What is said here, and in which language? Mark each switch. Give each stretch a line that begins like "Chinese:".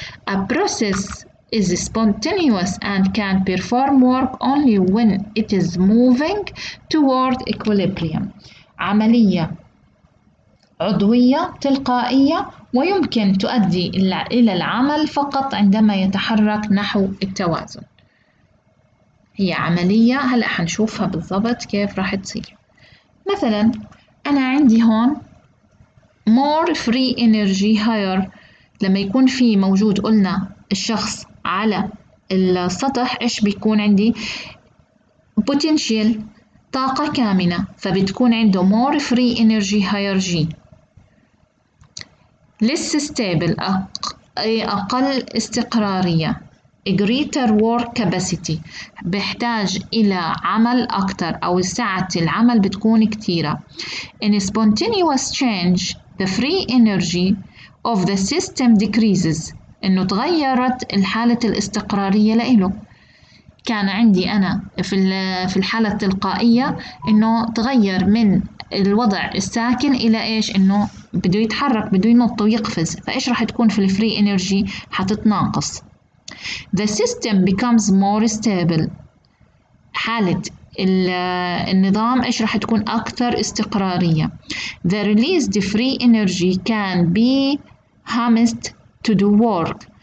English: a process is spontaneous and can perform work only when it is moving toward equilibrium.
Arabic: عملية عضوية تلقائية ويمكن تؤدي إلى العمل فقط عندما يتحرك نحو التوازن. هي عملية، هلأ حنشوفها بالضبط كيف راح تصير. مثلا أنا عندي هون
English: more free energy higher.
Arabic: لما يكون في موجود قلنا الشخص على السطح إيش بيكون عندي؟ potential طاقة كامنة، فبتكون عنده
English: more free energy higher G. less stable
Arabic: أقل استقرارية.
English: greater work capacity
Arabic: بحتاج إلى عمل أكتر أو ساعة العمل بتكون كتيرة.
English: in spontaneous change the free energy of the system decreases.
Arabic: إنه تغيرت الحالة الاستقرارية لإله. كان عندي أنا في الحالة التلقائية إنه تغير من الوضع الساكن إلى إيش؟ إنه بده يتحرك، بده ينط ويقفز، فإيش راح تكون في الفري إنرجي؟ حتتناقص.
English: The system becomes more stable.
Arabic: حالة النظام إيش راح تكون أكثر استقرارية.
English: The release the free energy can be harnessed to do work.